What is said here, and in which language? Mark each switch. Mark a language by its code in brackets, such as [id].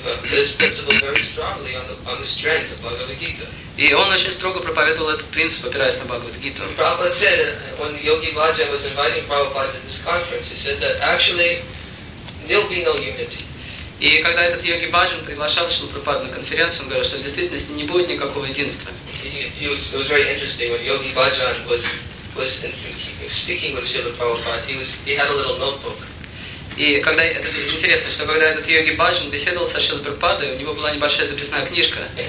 [en] This principle very strongly on the strength of Bhagavad Gita. [ru] И он очень строго проповедовал этот принцип, опираясь на Бхагавад Гиту. [en] Prabhupada said when Yogi Bhajan was inviting Prabhupada to this conference, he said that actually there'll be no unity. [ru] И когда этот Йоги Бхаджан приглашал Шрилу Прабхупаду на конференцию, он говорил, что в действительности не будет никакого единства. [en] It was very interesting when Yogi Bhajan was speaking with Srila Prabhupada. He had a little notebook. [ru] И когда это интересно, что когда этот Йоги Бхаджан беседовал со Шрилой Прабхупадой, у него была небольшая записная книжка.